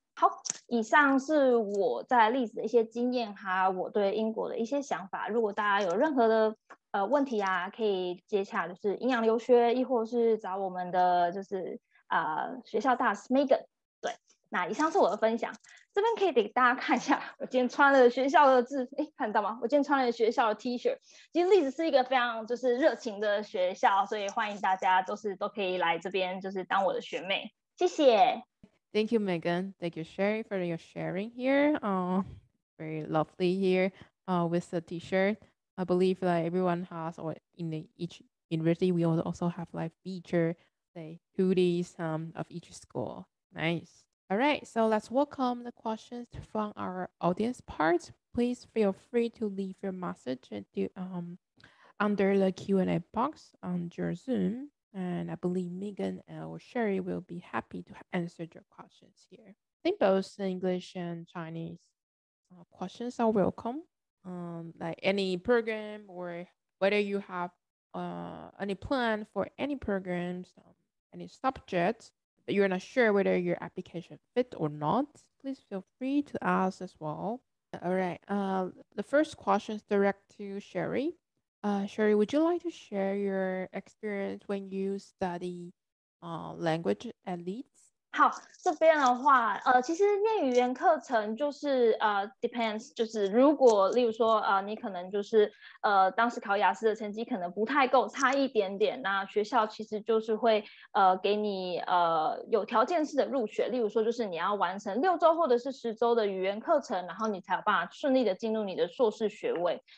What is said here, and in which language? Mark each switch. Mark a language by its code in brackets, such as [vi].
[zh] 好，以上是我在栗子的一些经验哈，我对英国的一些想法，如果大家有任何的问题啊，可以接洽就是阴阳留学，亦或是找我们的就是学校大使 Megan。对，那以上是我的分享，这边可以给大家看一下我今天穿了学校的字，诶，看到吗？我今天穿了学校的 T-shirt。其实栗子是一个非常就是热情的学校，所以欢迎大家都可以来这边就是当我的学妹。谢谢。 [en] Thank you Megan, thank you Sherry for your sharing here. Very lovely here with the T-shirt. I believe that everyone has, or in each university we also have like feature, say hoodies of each school. Nice. All right, so let's welcome the questions from our audience part. Please feel free to leave your message under the Q&A box on your Zoom. And I believe Megan or Sherry will be happy to answer your questions here. I think both English and Chinese questions are welcome. Like any program or whether you have any plan for any programs, any subjects, but you're not sure whether your application fit or not, please feel free to ask as well. All right, the first question is direct to Sherry. Sherry, would you like to share your experience when you study language at Leeds? [zh] 好，这边的话其实念语言课程就是depends, 就是如果例如说你可能就是当时考雅思的成绩可能不太够，差一点点，那学校其实就是会给你有条件式的入学，例如说就是你要完成六周或者是十周的语言课程，然后你才有办法顺利的进入你的硕士学位。